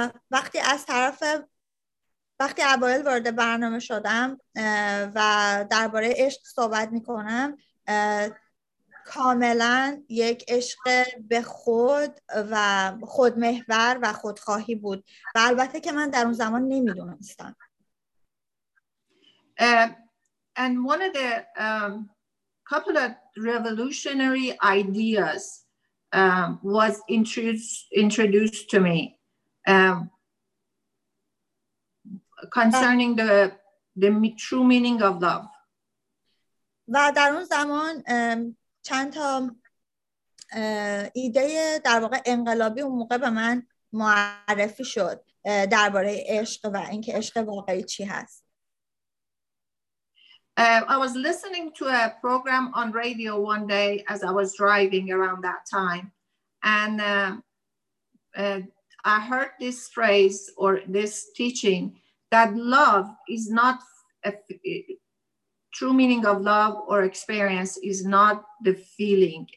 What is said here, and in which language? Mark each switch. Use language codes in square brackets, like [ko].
[fa] وقتی از طرف وقتی اوایل وارد برنامه شدم و درباره عشق صحبت میکنم کاملا یک عشق به خود و خودمحور و خودخواهی بود و البته که من در اون زمان نمیدونستم. [en] And one of the couple of revolutionary ideas was introduced to me concerning the true meaning of love. [fa] و در اون زمان چند تا ایده در واقع انقلابی اون موقع به من معرفی شد درباره عشق و اینکه عشق واقعی چی هست. [en] I was listening to a program on radio one day as I was driving around that time, and I heard this phrase or this teaching that love is not true meaning of love or experience is not the feeling.